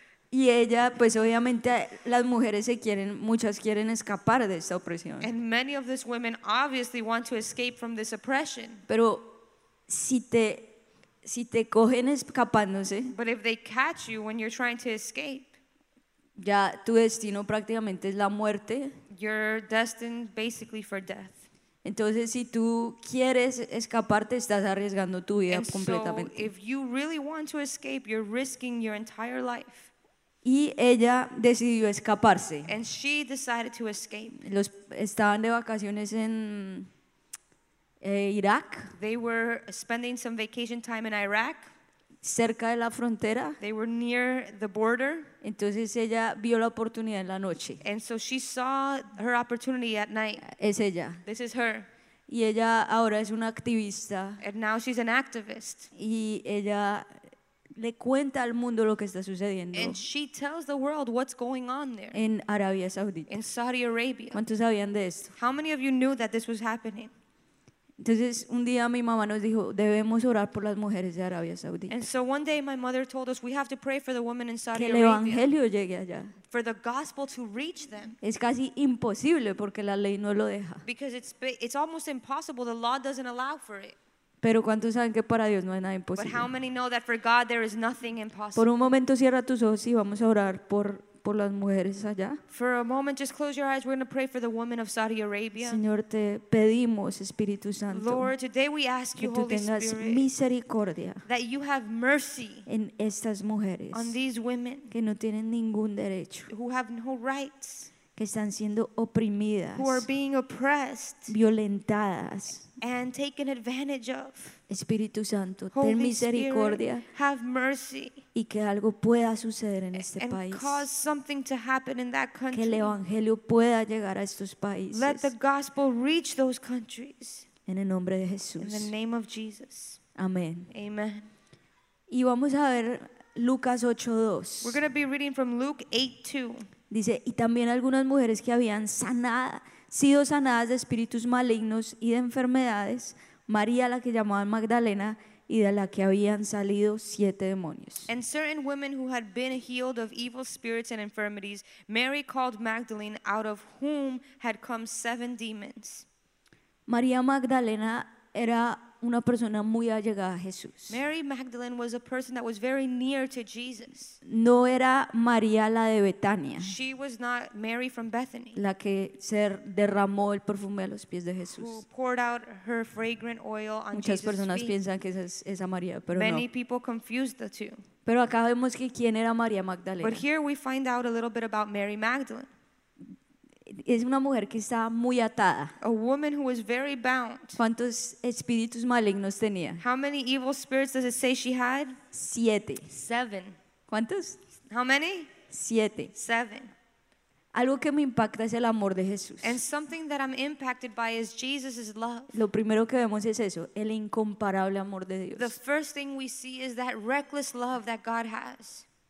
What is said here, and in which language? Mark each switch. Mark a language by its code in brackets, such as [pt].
[es] Y ella, pues obviamente, las mujeres se quieren, muchas quieren escapar de esta opresión. [en] And many of these women obviously want to escape from this oppression. [es] Pero si te cogen escapándose, [en] but if they catch you when you're trying to escape, [es] ya tu destino prácticamente es la muerte. [en] You're destined basically for death. [es] Entonces, si tú quieres escaparte, estás arriesgando tu vida [en] and [es] completamente. [en] So if you really want to escape, you're risking your entire life. [es] Y ella decidió escaparse. [en] And she decided to escape. [es] Los estaban de vacaciones en Irak. [en] They were spending some vacation time in Iraq. [es] cerca de la frontera. [en] They were near the border. [es] Entonces ella vio la oportunidad en la noche. [en] And so she saw her opportunity at night. [es] Es ella. [en] This is her. [es] Y ella ahora es una activista. [en] And now she's an activist. [es] Y ella le cuenta al mundo lo que está sucediendo. [en] And she tells the world what's going on there. [es] En Arabia Saudita. [en] In Saudi Arabia. [es] ¿Cuántos sabían de esto? [en] How many of you knew that this was happening? [es] Entonces un día mi mamá nos dijo, debemos orar por las mujeres de Arabia Saudita. [en] And so one day my mother told us we have to pray for the women in Saudi Arabia. [es] Que el evangelio llegue allá. [en] For the gospel to reach them. [es] Es casi imposible porque la ley no lo deja. [en] Because it's almost impossible, the law doesn't allow for it. [es] Pero ¿cuántos saben que para Dios no hay nada imposible? [en] But how many know that for God there is nothing impossible? [es] Por un momento cierra tus ojos y vamos a orar por las mujeres allá. [en] For a moment, just close your eyes. We're going to pray for the women of Saudi Arabia. [es] Señor, te pedimos, Espíritu Santo, [en] Lord, today we ask you, [es] que tú tengas [en] Holy Spirit, [es] misericordia, [en] that you have mercy [es] en estas mujeres, [en] on these women [es] que no tienen ningún derecho, [en] who have no rights, [es] que están siendo oprimidas, [en] who are being oppressed, [es] violentadas, [en] and taken advantage of. [es] Espíritu Santo, [en] Holy [es] ten misericordia, [en] Spirit, have mercy, [es] y que algo pueda suceder en este [en] and [es] país, [en] cause something to happen in that country. [es] Que el evangelio pueda llegar a estos países. [en] Let the gospel reach those countries. [es] En el nombre de Jesús. [en] In the name of Jesus. [es] Amén. [en] Amen. [es] Y vamos a ver Lucas 8:2. [en] We're going to be reading from Luke 8:2. [es] Dice, y también algunas mujeres que habían sido sanadas de espíritus malignos y de enfermedades, María la que llamaban Magdalena y de la que habían salido siete demonios. [en] And certain women who had been healed of evil spirits and infirmities, Mary called Magdalene, out of whom had come seven demons. [es] María Magdalena era una persona muy allegada a Jesús. [en] Mary Magdalene was a person that was very near to Jesus. [es] No era María la de Betania. [en] She was not Mary from Bethany. [es] La que se derramó el perfume a los pies de Jesús. [en] Who poured out her fragrant oil on [es] Muchas [en] Jesus' [es] personas [en] feet. [es] Piensan que esa es esa María, pero [en] Many [es] no. [en] Many people confused the two. [es] Pero acá vemos que quién era María Magdalena. [en] But here we find out a little bit about Mary Magdalene. [es] Es una mujer que estaba muy atada. [en] A woman who was very bound. [es] ¿Cuántos espíritus malignos tenía? [en] How many evil spirits does it say she had? [es] Siete. [en] Seven. [es] ¿Cuántos? [en] How many? [es] Siete. [en] Seven. [es] Algo que me impacta es el amor de Jesús. [en] And something that I'm impacted by is Jesus' love. [es] Lo primero que vemos es eso, el incomparable amor de Dios. [en] The first thing we see is that reckless love that God has.